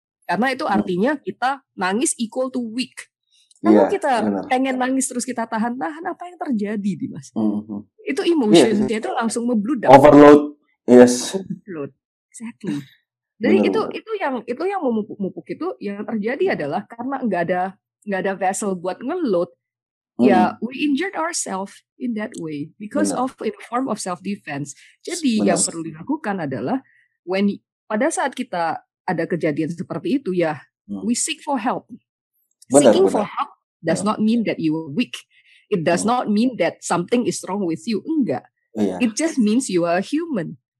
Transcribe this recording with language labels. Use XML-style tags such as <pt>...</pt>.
<id>Karena itu artinya kita nangis</id> <en>equal to weak.</en> <id>Kalau kita pengen nangis terus kita tahan-tahan, apa yang terjadi, Dimas? Itu emotion-nya itu langsung membludak.</id> <en>Overload. Yes. Overload. Exactly.</en> <id>Jadi itu yang memupuk-mupuk itu yang terjadi adalah karena enggak ada vessel buat ngeload.</id> <en>Ya, we injured ourselves in that way because of a form of self defense.</en> <id>Jadi yang perlu dilakukan adalah pada saat kita ada kejadian seperti itu ya,</id> <en>we seek for help. For help does not mean that you are weak. It does not mean that something is wrong with you. Enggak. Yeah. It just means you are a human.</en>